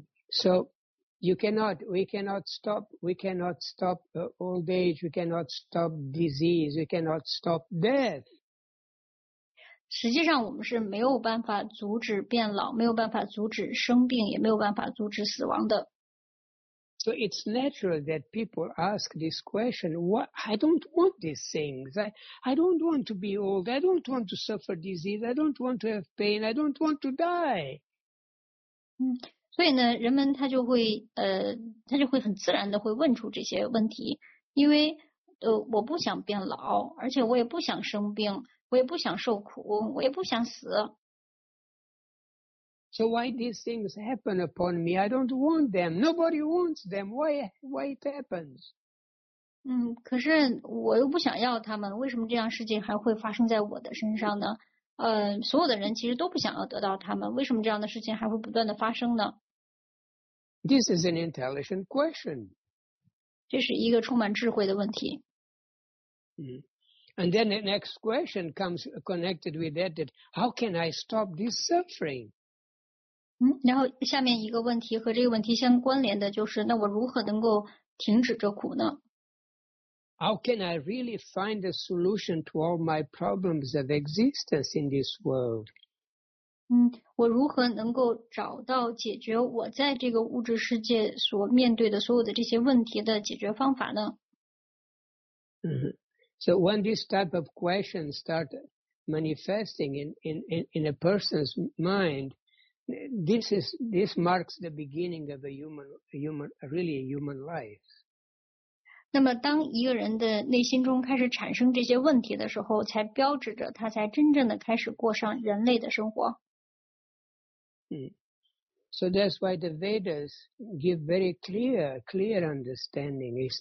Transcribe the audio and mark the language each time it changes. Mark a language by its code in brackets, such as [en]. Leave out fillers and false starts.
[en] So you cannot, we cannot stop old age, we cannot stop disease, we cannot stop death. [zh] 实际上我们是没有办法阻止变老，没有办法阻止生病，也没有办法阻止死亡的。 [en] So it's natural that people ask this question, I don't want these things. I don't want to be old. I don't want to suffer disease. I don't want to have pain. I don't want to die. [zh] 所以呢，人们他就会很自然的会问出这些问题，因为我不想变老，而且我也不想生病，我也不想受苦，我也不想死。 [en] So why these things happen upon me? I don't want them. Nobody wants them. Why it happens? [zh] 可是我又不想要他们，为什么这样事情还会发生在我的身上呢？所有的人其实都不想要得到他们，为什么这样的事情还会不断的发生呢？ [en] This is an intelligent question. [zh] 这是一个充满智慧的问题。 [en] And then the next question comes connected with that how can I stop this suffering? [zh] 然后下面一个问题和这个问题相关联的就是，那我如何能够停止这苦呢？ [en] How can I really find a solution to all my problems of existence in this world? [zh] 我如何能够找到解决我在这个物质世界所面对的所有的这些问题的解决方法呢？ [en] So when this type of question start manifesting in a person's mind,This marks the beginning of a really human life. [zh] 那么当一个人的内心中开始产生这些问题的时候，才标志着他才真正的开始过上人类的生活。 [en] So that's why the Vedas give very clear understanding.